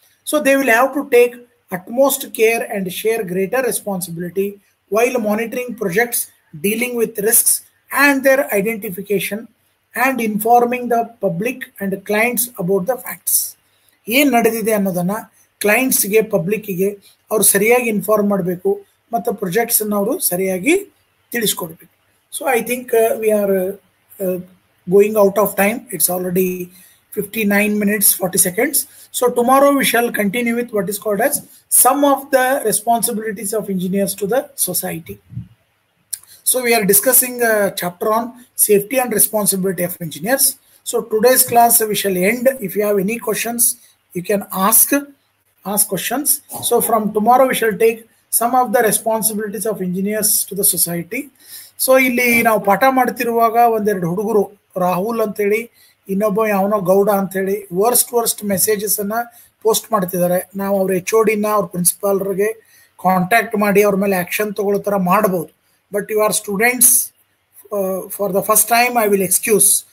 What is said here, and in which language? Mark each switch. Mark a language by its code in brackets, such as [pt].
[en] So they will have to take utmost care and share greater responsibility while monitoring projects dealing with risks and their identification and informing the public and clients about the facts. [kn] ಏನು ನಡೆದಿದೆ ಅನ್ನೋದನ್ನು ಕ್ಲೈಂಟ್ಸ್ಗೆ ಪಬ್ಲಿಕ್ಕಿಗೆ ಅವ್ರು ಸರಿಯಾಗಿ inform ಮಾಡಬೇಕು ಮತ್ತು ಪ್ರೊಜೆಕ್ಟ್ಸನ್ನು ಅವರು ಸರಿಯಾಗಿ ತಿಳಿಸ್ಕೊಡ್ಬೇಕು. [en] So I think we are going out of time, it's already 59 minutes 40 seconds. So tomorrow we shall continue with what is called as some of the responsibilities of engineers to the society. So we are discussing a chapter on safety and responsibility of engineers. So today's class we shall end. If you have any questions, you can ask questions. So from tomorrow we shall take some of the responsibilities of engineers to the society. [kn] So ಇಲ್ಲಿ ನಾವು ಪಾಠ ಮಾಡ್ತಿರುವಾಗ ಒಂದೆರಡು ಹುಡುಗರು ರಾಹುಲ್ ಅಂತೇಳಿ ಇನ್ನೊಬ್ಬ ಯಾವನೋ ಗೌಡ ಅಂತೇಳಿ worst worst messages ಅನ್ನ ಪೋಸ್ಟ್ ಮಾಡ್ತಿದ್ದಾರೆ. ನಾವು ಅವ್ರ ಎಚ್ ಓ ಡಿನ ಅವ್ರ ಪ್ರಿನ್ಸಿಪಾಲ್ರಿಗೆ ಕಾಂಟ್ಯಾಕ್ಟ್ ಮಾಡಿ ಅವ್ರ ಮೇಲೆ ಆಕ್ಷನ್ ತಗೊಳ್ಳೋ ಥರ ಮಾಡ್ಬೋದು. [en] But you are students for the first time I will excuse.